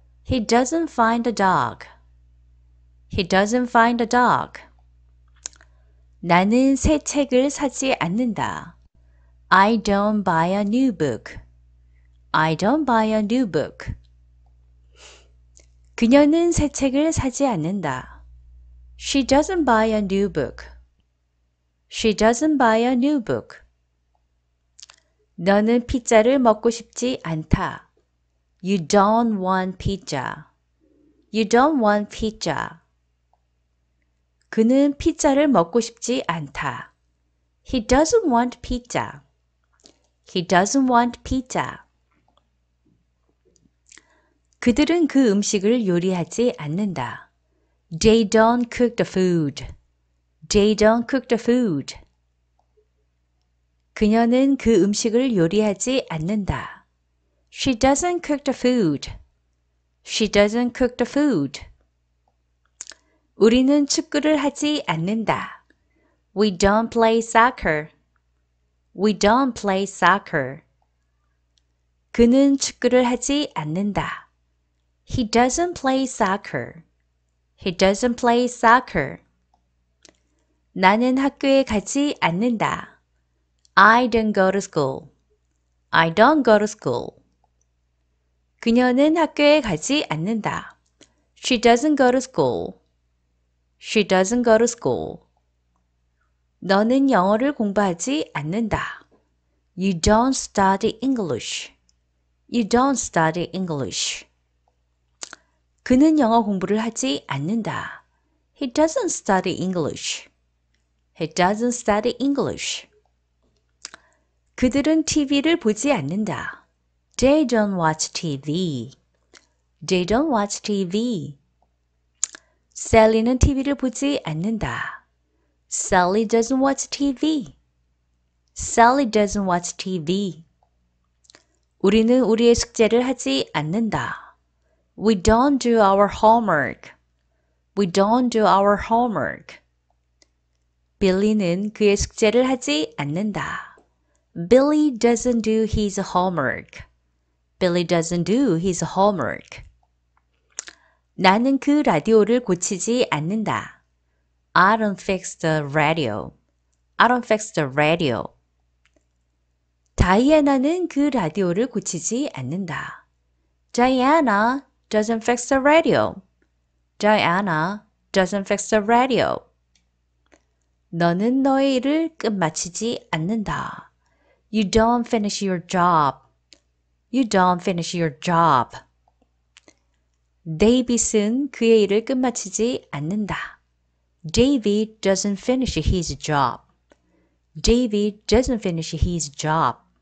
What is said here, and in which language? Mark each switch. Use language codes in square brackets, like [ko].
[en] He doesn't find a dog. He doesn't find a dog. [ko] 나는 새 책을 사지 않는다. [en] I don't buy a new book. I don't buy a new book. [ko] 그녀는 새 책을 사지 않는다. [en] She doesn't buy a new book. She doesn't buy a new book. [ko] 너는 피자를 먹고 싶지 않다. [en] You don't want pizza. You don't want pizza. [ko] 그는 피자를 먹고 싶지 않다. [en] He doesn't want pizza. He doesn't want pizza. [ko] 그들은 그 음식을 요리하지 않는다. [en] They don't cook the food. They don't cook the food. [ko] 그녀는 그 음식을 요리하지 않는다. [en] She doesn't cook the food. She doesn't cook the food. [ko] 우리는 축구를 하지 않는다. [en] We don't play soccer. We don't play soccer. [ko] 그는 축구를 하지 않는다. [en] He doesn't play soccer. He doesn't play soccer. [ko] 나는 학교에 가지 않는다. [en] I don't go to school. I don't go to school. [ko] 그녀는 학교에 가지 않는다. [en] She doesn't go to school. She doesn't go to school. [ko] 너는 영어를 공부하지 않는다. [en] You don't study English. You don't study English. [ko] 그는 영어 공부를 하지 않는다. [en] He doesn't study English. He doesn't study English. [ko] 그들은 TV를 보지 않는다. [en] They don't watch TV. They don't watch TV. [ko] 셀리는 TV를 보지 않는다. [en] Sally doesn't watch TV. Sally doesn't watch TV. [ko] 우리는 우리의 숙제를 하지 않는다. [en] We don't do our homework. We don't do our homework. [ko] 빌리는 그의 숙제를 하지 않는다. [en] Billy doesn't do his homework. Billy doesn't do his homework. [ko] 나는 그 라디오를 고치지 않는다. [en] I don't fix the radio. I don't fix the radio. [ko] 다이애나는 그 라디오를 고치지 않는다. [en] Diana doesn't fix the radio. Diana doesn't fix the radio. [ko] 너는 너의 일을 끝마치지 않는다. [en] You don't finish your job. You don't finish your job. [ko] 데이빗은 그의 일을 끝마치지 않는다. [en] David doesn't finish his job. David doesn't finish his job.